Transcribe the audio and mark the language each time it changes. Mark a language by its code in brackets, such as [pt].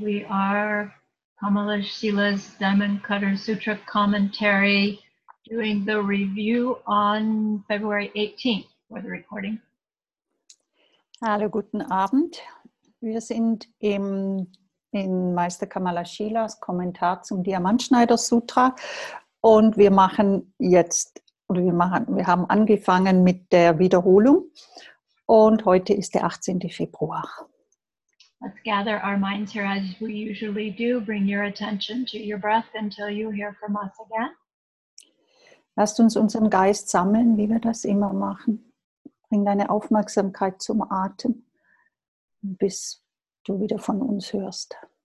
[en] We are Kamala Shila's Diamond Cutter Sutra commentary, doing the review on February 18th for the recording. [de] Hallo, guten Abend. Wir sind in Meister Kamala Shilas Kommentar zum Diamantschneider Sutra und wir machen jetzt, oder wir haben angefangen mit der Wiederholung und heute ist der 18. Februar. [en] Let's gather our minds here as we usually do. Bring your attention to your breath until you hear from us again. [de] Lasst uns unseren Geist sammeln, wie wir das immer machen. Bring deine Aufmerksamkeit zum Atem, bis du wieder von uns hörst.